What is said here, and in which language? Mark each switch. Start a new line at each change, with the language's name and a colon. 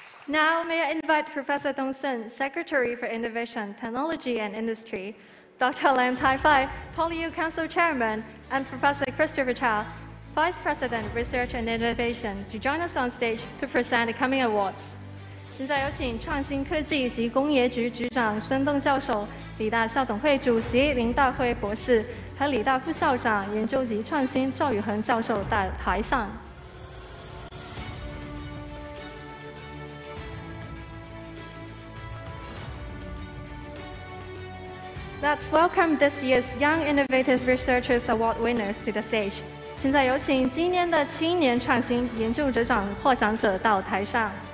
English: Now, may I invite Professor Dong Sun, Secretary for Innovation, Technology and Industry, Dr. Lam Tai Fai, PolyU Council Chairman, and Professor Christopher Chow, Vice President, Research and Innovation, to join us on stage to present the coming awards.
Chinese: 现在有请创新科技及工业局局长孙栋教授、理大校董会主席林大辉博士和理大副校长研究及创新赵宇恒教授在台上。
English: Let's welcome this year's Young Innovative Researchers Award winners to the stage.
Chinese: 现在有请今年的青年创新研究者奖获奖者到台上。